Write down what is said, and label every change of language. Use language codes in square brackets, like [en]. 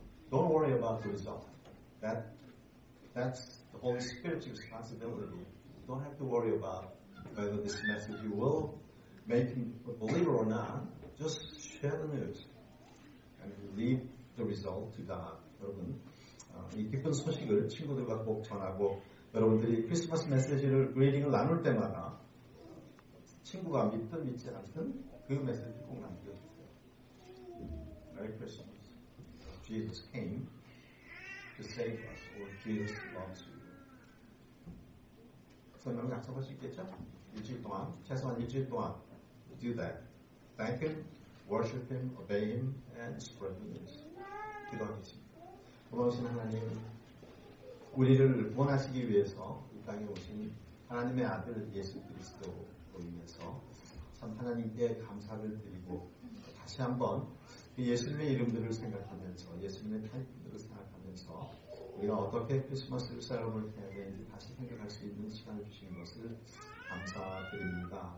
[en] Don't worry about the result. That's the Holy Spirit's responsibility. You don't have to worry about whether this message you will make a believer or not. Just share the news and leave the result to God. [ko] 여러분, 이 기쁜 소식을 친구들과 꼭 전하고 여러분들이 크리스마스 메시지를 그레이딩을 나눌 때마다 친구가 믿든 믿지 않든 그 메시지를 꼭 남겨주세요. [en] Merry Christmas. Jesus came to save us, or Jesus loves you. [ko] 설명 약속할 수 있겠죠? 일주일 동안, 최소한 일주일 동안, [en] do that. Thank him, worship him, obey him, and spread the news. [ko] 기도하겠습니다. 고마우신 하나님, 우리를 구원하시기 위해서 이 땅에 오신 하나님의 아들 예수 그리스도로 인해서 참 하나님께 감사를 드리고 다시 한번 예수님의 이름들을 생각하면서 예수님의 타이틀들을 생각하면서 우리가 어떻게 크리스마스를 셀러브레이트 해야 되는지 다시 생각할 수 있는 시간을 주신 것을 감사드립니다.